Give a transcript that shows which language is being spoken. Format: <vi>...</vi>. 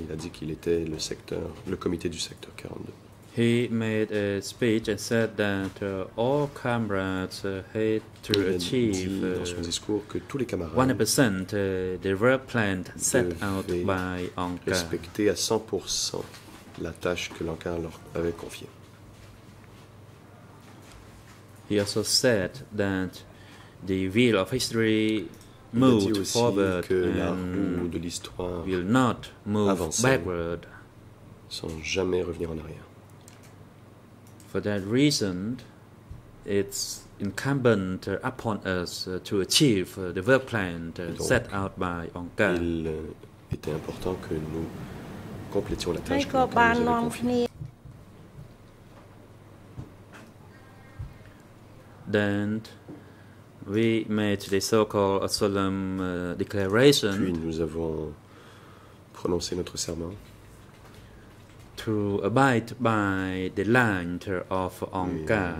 <fr>Il a dit qu'il était le secteur, le comité du secteur 42.</fr> <en>He made a speech and said that all comrades had to achieve.</en> <fr>Dans son discours, que tous les camarades.</fr> <en>100% the work plan set out by Ankar.</en> <fr>Respecter à 100% la tâche que l'Ankar leur avait confiée.</fr> <en>He also said that the wheel of history. Moved forward</en> <fr>que la roue de l'histoire</fr> <en>will not move</en> <fr>avancer</fr> <en>backward.</en> <fr>Sans jamais revenir en arrière.</fr> <en>For that reason, it's incumbent upon us to achieve the work plan set out by Ankar.</en> <fr>Il était important que nous complétions la tâche que Ankar nous avait confiée.</fr> <en>Then we made the so-called solemn declaration.</en> <fr>Puis nous avons prononcé notre serment.</fr> <en>To abide by the line of Ankar.</en>